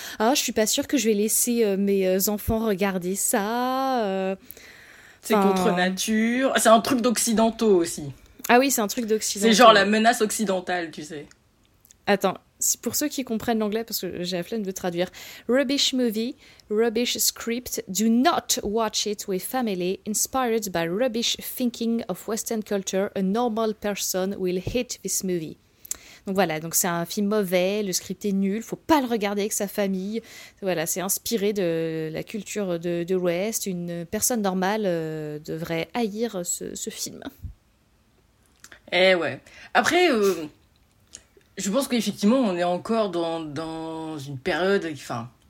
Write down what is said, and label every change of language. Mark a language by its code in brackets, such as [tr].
[fr] Ah, je suis pas sûre que je vais laisser mes enfants regarder ça. C'est contre Enfin, nature. C'est un truc d'occidentaux aussi. ah oui, c'est un truc C'est genre la ouais. menace occidentale, tu sais. Attends, pour ceux qui comprennent l'anglais, parce que j'ai la flemme de traduire. [en] Rubbish movie, rubbish script, do not watch it with family, inspired by rubbish thinking of Western culture, a normal person will hate this movie. [fr] Donc voilà, donc c'est un film mauvais, le script est nul, faut pas le regarder avec sa famille. Voilà, c'est inspiré de la culture de l'Ouest, une personne normale devrait haïr ce film. Eh ouais. Après, je pense qu'effectivement, on est encore dans une période. Enfin,